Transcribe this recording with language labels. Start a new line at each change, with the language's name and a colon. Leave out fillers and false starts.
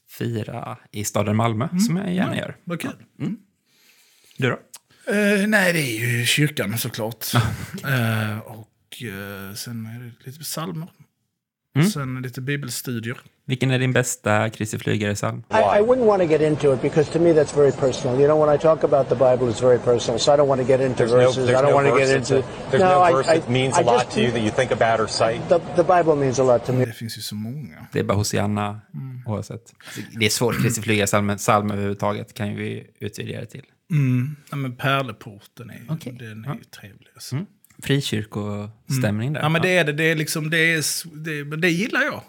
Swedish: Fira i staden Malmö, som jag gärna gör. Vad kul. Mm. Du då? Nej, det är ju kyrkan såklart. och sen är det lite psalmer. Mm. Sen lite bibelstudier. Vilken är din bästa Kristi flygare-psalm?
English: I wouldn't want to get into it because to me that's very personal. You know, when I talk about the Bible it's very personal. So I don't want to get into there's no verse that means a lot to you that you think about or cite. The Bible means a lot to me.
Swedish: Det finns ju så många. Det är bara hosianna oavsett. Det är svårt Kristi flygare-psalm, men psalm överhuvudtaget kan vi utvidga det till. Ja, men Pärleporten är, okay. Den är ju trevlig. Alltså. Mm. Frikyrkostämning där. Ja, men det är det. Det är liksom, det gillar jag.